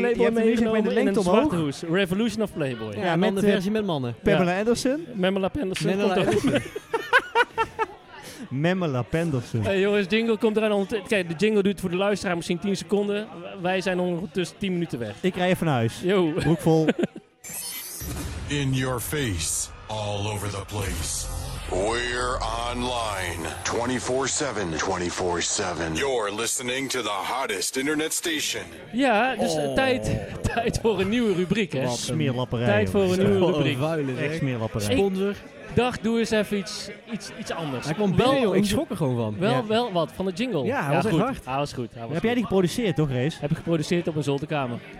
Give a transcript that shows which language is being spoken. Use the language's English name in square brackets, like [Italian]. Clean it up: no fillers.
[Dutch] Playboy meegenomen en een zwarte hoes. [English] Revolution of Playboy. [Dutch] Ja, met de versie met mannen. Pamela Anderson. Pamela Anderson. Pamela Anderson. Hey jongens, jingle komt eraan. Kijk, de jingle duurt voor de luisteraar misschien 10 seconden. Wij zijn ondertussen 10 minuten weg. Ik rij even naar huis. Yo. Broek vol. [English] In your face. All over the place. We're online 24/7. 24/7. You're listening to the hottest internet station. [Dutch] Ja, dus tijd voor een nieuwe rubriek, hè? Wat een smeerlapperij. Tijd voor een nieuwe rubriek. Een vuile echt smeerlapperij. Sponsor. Ik dacht, doe eens even iets anders. Hij kwam binnen, wel, joh. Ik schrok er gewoon van. Wel wat, van de jingle. Ja, hij was goed. Hard. Hij was goed. Heb jij die geproduceerd, toch, Rees? Heb ik geproduceerd op een zolderkamer.